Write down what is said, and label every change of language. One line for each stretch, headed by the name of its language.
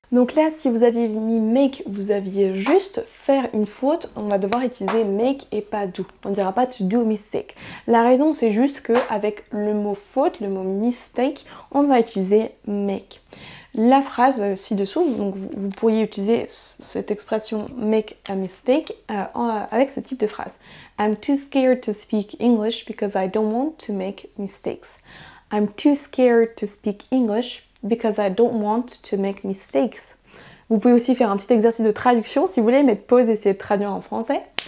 French: Donc là, si vous aviez mis make, vous aviez juste faire une faute, on va devoir utiliser make et pas do. On ne dira pas
English: to do a mistake.
French: La raison, c'est juste qu'avec le mot faute, le mot mistake, on va utiliser make. La phrase ci-dessous, donc vous pourriez utiliser cette expression
English: make a mistake
French: avec ce type de phrase.
English: I'm too scared to speak English because I don't want to make mistakes. I'm too scared to speak English because I don't want to make mistakes.
French: Vous pouvez aussi faire un petit exercice de traduction si vous voulez, mettre pause et essayer de traduire en français.